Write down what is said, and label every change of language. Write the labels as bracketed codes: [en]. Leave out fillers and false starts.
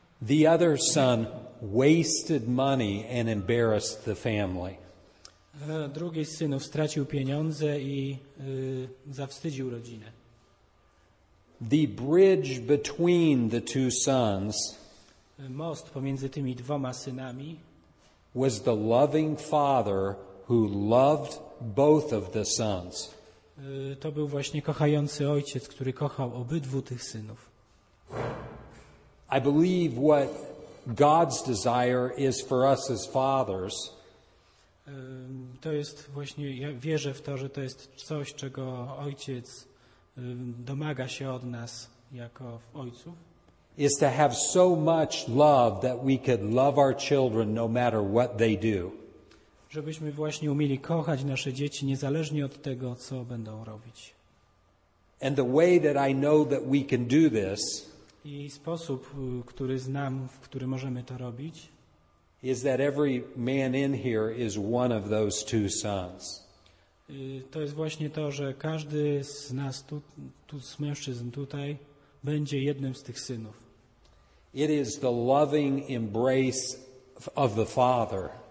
[en] The other son wasted money and embarrassed the family. [pl] Drugi z synów stracił pieniądze i zawstydził rodzinę. [en] The bridge between the two sons, [pl] most pomiędzy tymi dwoma synami, [en] was the loving father who loved both of the sons. [pl] To był właśnie kochający ojciec, który kochał obydwu tych synów. [en] I believe what God's desire is for us as fathers. [pl] To jest właśnie, ja wierzę w to, że to jest coś, czego ojciec domaga się od nas jako ojców. [en] Is to have so much love that we could love our children no matter what they do. [pl] Żebyśmy właśnie umieli kochać nasze dzieci niezależnie od tego, co będą robić. [en] And the way that I know that we can do this, [pl] i sposób, który znam, w który możemy to robić, [en] is that every man in here is one of those two sons. [pl] To jest właśnie to, że każdy z nas tu z mężczyzn tutaj będzie jednym z tych synów. [en] It is the loving embrace of the father.